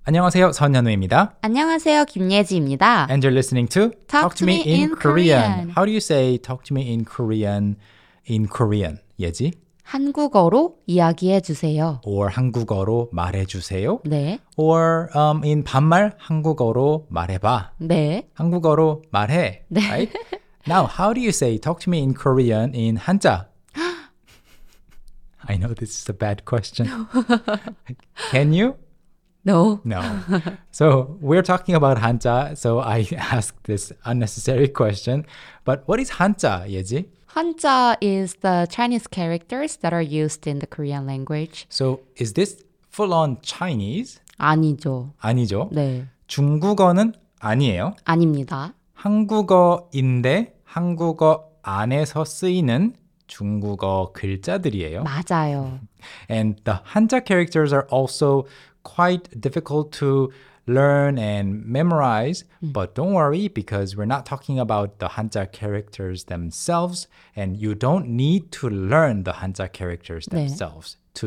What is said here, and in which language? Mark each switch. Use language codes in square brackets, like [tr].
[ko] 안녕하세요, 선현우입니다. 안녕하세요, 김예지입니다. [en] And you're listening to Talk to Me in Korean. How do you say Talk to Me in Korean in Korean, 예지? [ko] 한국어로 이야기해 주세요. Or 한국어로 말해 주세요. 네. Or in 반말 한국어로 말해봐. 네. 한국어로 말해. 네. [en] Right? Now, how do you say Talk to Me in Korean in 한자? I know this is a bad question. Can you? No. No. So we're talking about Hanja, so I asked this unnecessary question. But what is Hanja, Yeji? Hanja is the Chinese characters that are used in the Korean language. So is this full-on Chinese? [ko] 아니죠. 아니죠? 네. 중국어는 아니에요? 아닙니다. 한국어인데 한국어 안에서 쓰이는 중국어 글자들이에요. 맞아요. [en] And the Hanja characters are also quite difficult to learn and memorize, but don't worry because we're not talking about the Hanja characters themselves, and you don't need to learn the Hanja characters themselves 네.